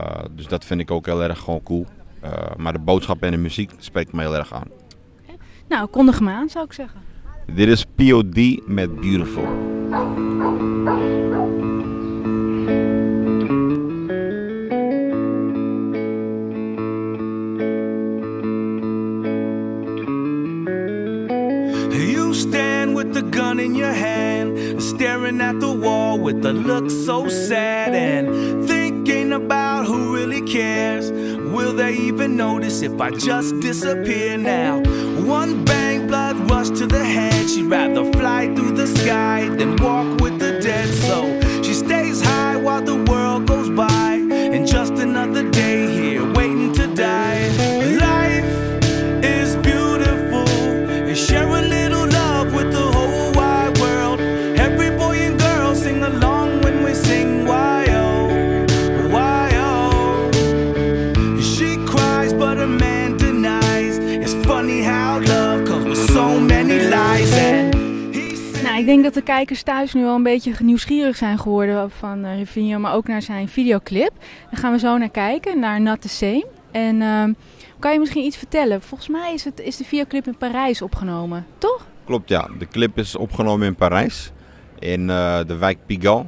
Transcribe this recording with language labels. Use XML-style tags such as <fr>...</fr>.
<nl>Dus dat vind ik ook heel erg gewoon cool. Maar de boodschap en de muziek spreekt me heel erg aan. Nou, kondig hem aan, zou ik zeggen. Dit is POD met Beautiful.</nl> <en>You stand with the gun in your hand, staring at the wall with a look so sad, and thinking about who really cares. Will they even notice if I just disappear now? One bang, blood rush to the head. She'd rather fly through the sky than walk with the dead. So she stays high while the world goes by, and just another day here waiting to die. Life is beautiful, and share a little love with the whole wide world. Every boy and girl sing along when we sing, why oh, why oh. She cries but a man denies. It's funny how love comes with so many lies.</en> <nl>Ik denk dat de kijkers thuis nu al een beetje nieuwsgierig zijn geworden van Rivinho, maar ook naar zijn videoclip. Daar gaan we zo naar kijken, naar Not The Same. En kan je misschien iets vertellen? Volgens mij is de videoclip in Parijs opgenomen, toch? Klopt, ja. De clip is opgenomen in Parijs, in de wijk Pigalle.</nl>